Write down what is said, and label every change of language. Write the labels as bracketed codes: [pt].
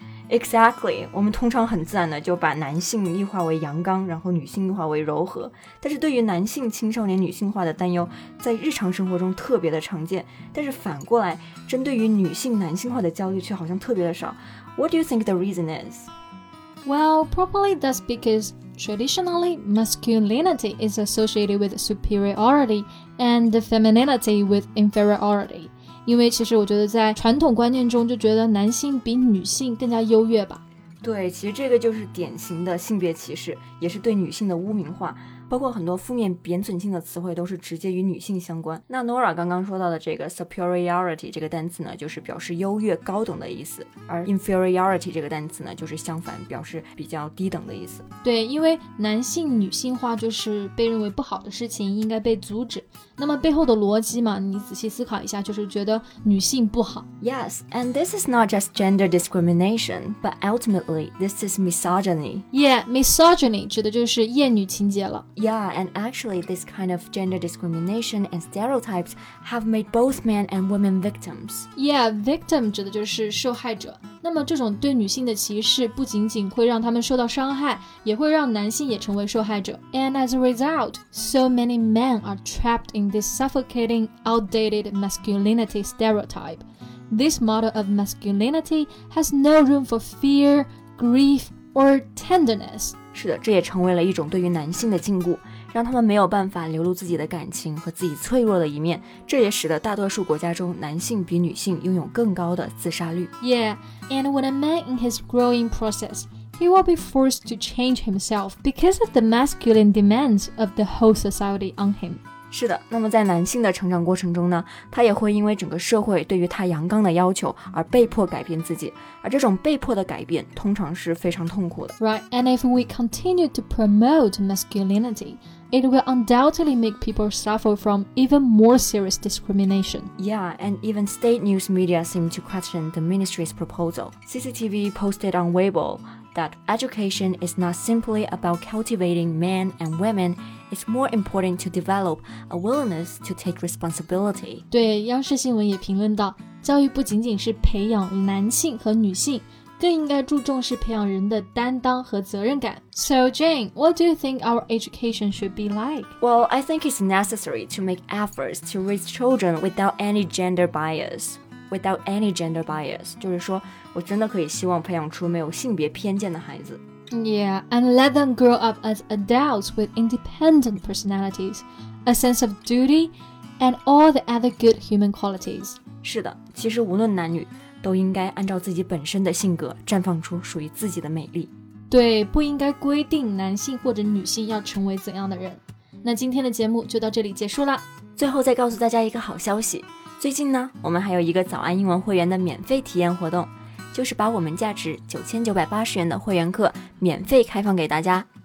[en] Exactly. [zh] 我们通常很自然的就把男性异化为阳刚，然后女性异化为柔和。但是对于男性青少年女性化的担忧，在日常生活中特别的常见。但是反过来，针对于女性男性化的焦虑却好像特别的少。 [en] What do you think the reason is? Well, probably that's because traditionally, masculinity is associated with superiority and femininity with inferiority. [zh] 因为其实我觉得在传统观念中就觉得男性比女性更加优越吧。对，其实这个就是典型的性别歧视，也是对女性的污名化，包括很多负面贬损性的词汇都是直接与女性相关。那 Nora 刚刚说到的这个 superiority 这个单词呢，就是表示优越高等的意思，而 inferiority 这个单词呢，就是相反，表示比较低等的意思。对，因为男性女性化就是被认为不好的事情，应该被阻止。那么背后的逻辑嘛，你仔细思考一下，就是觉得女性不好。 [en] Yes, and this is not just gender discrimination, but ultimately, this is misogyny. [zh] Yeah, misogyny 指的就是厌女情节了。 [en] Yeah, and actually this kind of gender discrimination and stereotypes have made both men and women victims. [zh] Yeah, victim 指的就是受害者。那么这种对女性的歧视不仅仅会让他们受到伤害，也会让男性也成为受害者。 [en] And as a result, so many men are trapped in this suffocating, outdated masculinity stereotype. This model of masculinity has no room for fear, grief, or tenderness. [zh] 是的，这也成为了一种对于男性的禁锢，让他们没有办法流露自己的感情和自己脆弱的一面。这也使得大多数国家中男性比女性拥有更高的自杀率。 [en] Yeah, and when a man in his growing process, he will be forced to change himself because of the masculine demands of the whole society on him. [zh] 是的，那么在男性的成长过程中呢，他也会因为整个社会对于他阳刚的要求而被迫改变自己，而这种被迫的改变通常是非常痛苦的。 [en] Right, and if we continue to promote masculinity, it will undoubtedly make people suffer from even more serious discrimination. Yeah, and even state news media seem to question the ministry's proposal. CCTV posted on Weibo that education is not simply about cultivating men and women,It's more important to develop a willingness to take responsibility. [zh] 对，央视新闻也评论到，教育不仅仅是培养男性和女性，更应该注重是培养人的担当和责任感。 [en] So Jane, what do you think our education should be like? Well, I think it's necessary to make efforts to raise children without any gender bias. Without any gender bias, [zh] 就是说我真的可以希望培养出没有性别偏见的孩子。 [en] Yeah, and let them grow up as adults with independent personalities, a sense of duty, and all the other good human qualities. [zh] 是的，其实无论男女，都应该按照自己本身的性格绽放出属于自己的魅力。对，不应该规定男性或者女性要成为怎样的人。那今天的节目就到这里结束了。最后再告诉大家一个好消息，最近呢，我们还有一个早安英文会员的免费体验活动，就是把我们价值9980元的会员课免费开放给大家。